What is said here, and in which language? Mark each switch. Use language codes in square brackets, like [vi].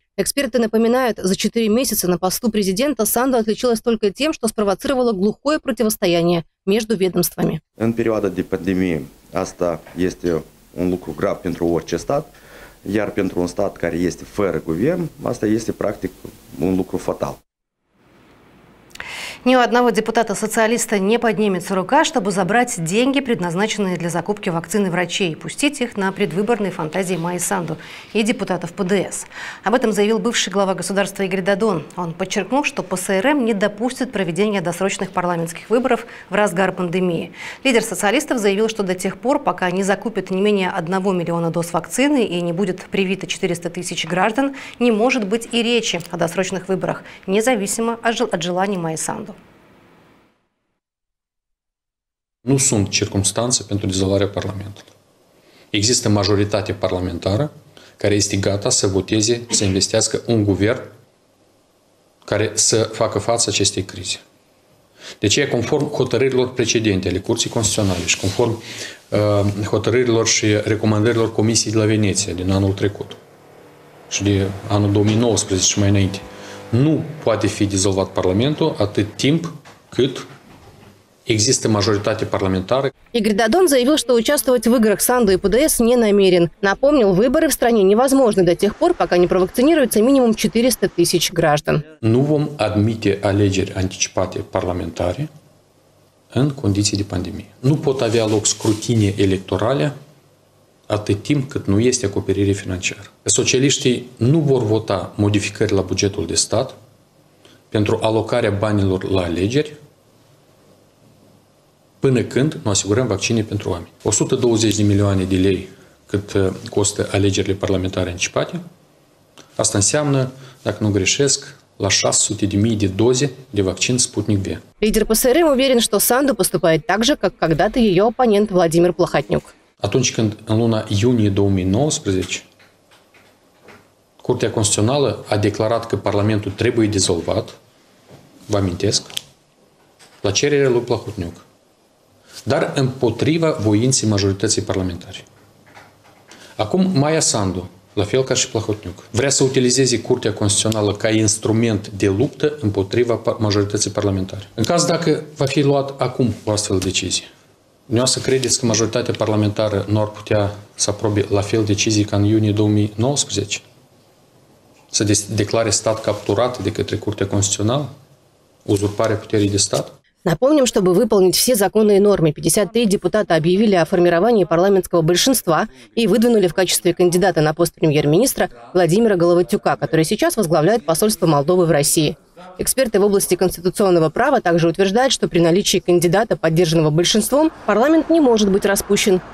[ru] Эксперты напоминают, за 4 месяца на посту президента Санду отличилась только тем, что спровоцировало глухое противостояние между ведомствами. [ro] În perioada de pandemie, asta este un lucru grav pentru orice stat, iar pentru un stat care este fără guvern, asta este practic un lucru fatal. [ru] Ни у одного депутата-социалиста не поднимется рука, чтобы забрать деньги, предназначенные для закупки вакцины врачей, и пустить их на предвыборные фантазии Майи Санду и депутатов ПДС. Об этом заявил бывший глава государства Игорь Дадон. Он подчеркнул, что ПСРМ не допустит проведения досрочных парламентских выборов в разгар пандемии. Лидер социалистов заявил, что до тех пор, пока не закупят не менее 1 миллиона доз вакцины и не будет привито 400 тысяч граждан, не может быть и речи о досрочных выборах, независимо от желаний Майи Санду. [ro] Nu sunt circumstanțe pentru dizolvarea Parlamentului. Există majoritate parlamentară care este gata să voteze, să investească un guvern care să facă față acestei crize. De aceea, conform hotărârilor precedente ale Curții Constituționale și conform hotărârilor și recomandărilor Comisiei de la Veneția din anul trecut și de anul 2019 și mai înainte, nu poate fi dizolvat Parlamentul atât timp cât există majoritate parlamentară. [ru] Игорь Дадон заявил, что участвовать в играх Санду и ПДС не намерен. Напомнил, выборы в стране невозможны до тех пор, пока не провакцинируется минимум 400 тысяч граждан. [ro] Nu vom admite alegeri anticipate parlamentare în condiții de pandemie. Nu pot avea loc scrutine electorale atât timp cât nu este acoperire financiară. Socialiștii nu vor vota modificări la bugetul de stat pentru alocarea banilor la alegeri până când nu asigurăm vaccine pentru oameni. 120 de milioane de lei cât costă alegerile parlamentare anticipate, asta înseamnă, dacă nu greșesc, la 600 de mii de doze de vaccin Sputnik V. [ru] Лидер ПСРМ уверен, что Санду поступает так же, как когда-то ее оппонент Владимир Плохотнюк. [ro] Atunci când în luna iunie 2019 Curtea Constituțională a declarat că Parlamentul trebuie dizolvat, vă amintesc, la cererea lui Plahotniuc, dar împotriva voinței majorității parlamentare. Acum Maia Sandu, la fel ca și Plahotniuc, vrea să utilizeze Curtea Constituțională ca instrument de luptă împotriva majorității parlamentare. În caz dacă va fi luat acum o astfel de decizie, dumneavoastră credeți că majoritatea parlamentară nu ar putea să aprobe la fel decizii ca în iunie 2019? Să declare stat capturat de către Curtea Constituțională? Uzurparea puterii de stat? [ru] Напомним, чтобы выполнить все законные нормы, 53 депутата объявили о формировании парламентского большинства и выдвинули в качестве кандидата на пост премьер-министра Владимира Головатюка, который сейчас возглавляет посольство Молдовы в России. Эксперты в области конституционного права также утверждают, что при наличии кандидата, поддержанного большинством, парламент не может быть распущен.